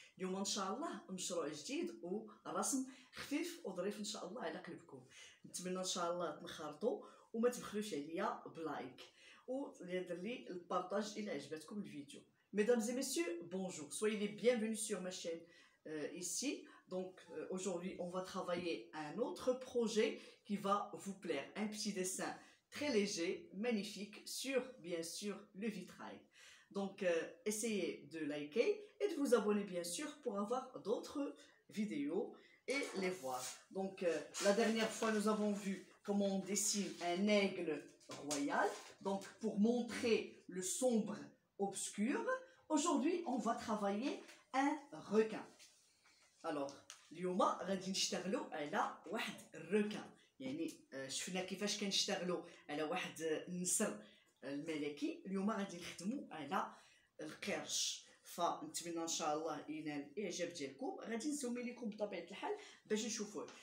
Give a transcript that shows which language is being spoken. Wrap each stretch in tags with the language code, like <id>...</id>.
<ar>اليوم ان شاء الله مشروع جديد ورسم خفيف وظريف ان شاء الله على قلبكم. نتمنى ان شاء الله تنخرطوا وما تبخلوش عليا بلايك ودير لي البارطاج الى عجبتكم الفيديو.</ar> <fr>ميدامز وميسيو بونجور، سوي لي بيانفينو سور ما شين ici. Donc aujourd'hui on va travailler un autre projet qui va vous plaire, un petit dessin très léger, magnifique, sur, bien sûr, le vitrail. Donc, essayez de liker et de vous abonner, bien sûr, pour avoir d'autres vidéos et les voir. Donc, la dernière fois, nous avons vu comment on dessine un aigle royal. Donc, pour montrer le sombre obscur, aujourd'hui, on va travailler un requin.</fr> <ar>Alors, اليوم غادي نشتغلو على واحد الركان، يعني شفنا كيفاش كنشتغلو على واحد النسر الملكي، اليوم غادي نخدمو على القرش. فنتمنى ان شاء الله ينال الاعجاب ديالكم. غادي نسومي لكم بطبيعه الحال باش نشوفوه.</ar>